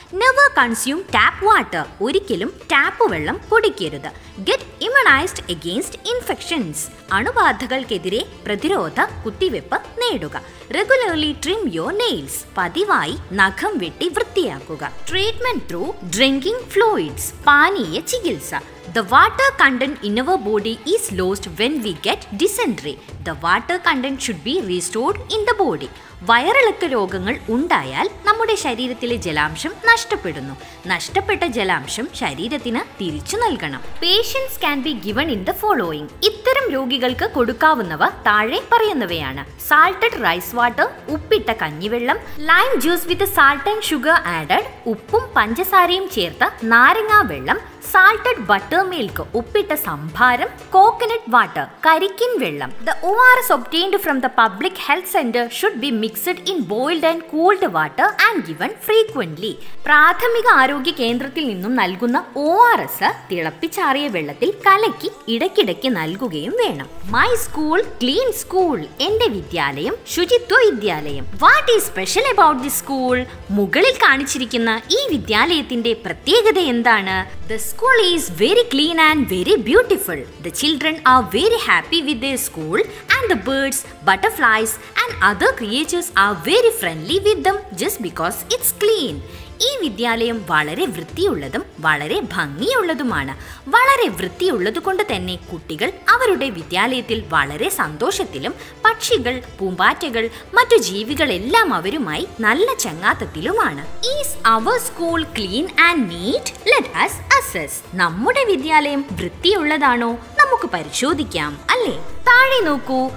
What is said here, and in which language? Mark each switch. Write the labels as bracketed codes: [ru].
[en] never consume tap water, [ml] ഒരിക്കലും tap വെള്ളം കുടിക്കരുത്. [en] get immunised against infections, [ml] അണുബാധകൾക്കെതിരെ പ്രതിരോധ കുത്തിവെപ്പ് നേടുക. [en] regularly trim your nails, [ml] പതിവായി നഖം വെട്ടി വൃത്തിയാക്കുക. [en] treatment through drinking fluids, [ml] പാനീയ ചികിത്സ. [en] The water content in our body is lost when we get dysentery. The water content should be restored in the body. [ml] വയറിളക്ക രോഗങ്ങൾ ഉണ്ടായാൽ നമ്മുടെ ശരീരത്തിലെ ജലാംശം നഷ്ടപ്പെടുന്നു. നഷ്ടപ്പെട്ട ജലാംശം ശരീരത്തിന് തിരിച്ചു നൽകണം. [en] patients can be given in the following, [ml] ഇത്തരം രോഗികൾക്ക് കൊടുക്കാവുന്നവ താഴെ പറയുന്നവയാണ്. [en] salted rice water, [ml] ഉപ്പിട്ട കഞ്ഞിവെള്ളം, [en] lime juice with salt and sugar added, [ml] ഉപ്പും പഞ്ചസാരയും ചേർത്ത നാരങ്ങാ വെള്ളം, [en] salted buttermilk, [ml] ഉപ്പിട്ട സംഭാരം, [en] coconut water, [ml] കരിക്കിൻ വെള്ളം. [en] The ORS obtained from the public health centre should be mixed in boiled and cooled water and given frequently. [ml] പ്രാഥമിക ആരോഗ്യ കേന്ദ്രത്തിൽ നിന്നും നൽകുന്ന ORS തിളപ്പിച്ചാറിയ വെള്ളത്തിൽ കലക്കി ഇടയ്ക്കിടയ്ക്ക് നൽകുകയും വേണം. [en] my school clean school, [ml] എന്റെ വിദ്യാലയം ശുചിത്വ വിദ്യാലയം. [en] what is special about the school, [ml] മുകളിൽ കാണിച്ചിരിക്കുന്ന ഈ വിദ്യാലയത്തിന്റെ പ്രത്യേകത എന്താണ്. [en] The school is very clean and very beautiful. The children are very happy with their school and the birds, butterflies and other creatures are very friendly with them just because it's clean. [ml] ഈ വിദ്യാലയം വളരെ വൃത്തിയുള്ളതും വളരെ ഭംഗിയുള്ളതുമാണ്. വളരെ വൃത്തിയുള്ളത് കൊണ്ട് തന്നെ കുട്ടികൾ അവരുടെ വിദ്യാലയത്തിൽ വളരെ സന്തോഷത്തിലും, പക്ഷികൾ പൂമ്പാറ്റകൾ മറ്റു ജീവികളെല്ലാം അവരുമായി നല്ല ചങ്ങാത്തത്തിലുമാണ്. [en] Is our school clean and neat? Let us assess. [ml] നമ്മുടെ വിദ്യാലയം വൃത്തിയുള്ളതാണോ നമുക്ക് പരിശോധിക്കാം അല്ലേ. താഴെ നോക്കൂ.